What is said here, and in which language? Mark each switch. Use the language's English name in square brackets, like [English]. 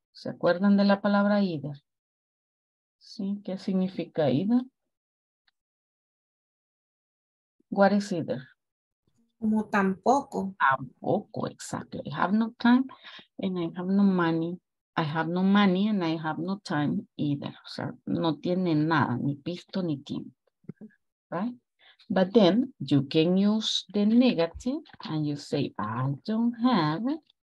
[Spanish] ¿Se acuerdan de la palabra either? Sí, ¿qué significa either? [English] What is either? [Spanish] Como tampoco. Tampoco, [English] exactly. I have no time and I have no money. I have no money and I have no time either. [Spanish] O sea, no tiene nada, ni pisto ni tiempo. [English] Right? But then you can use the negative and you say, I don't have it.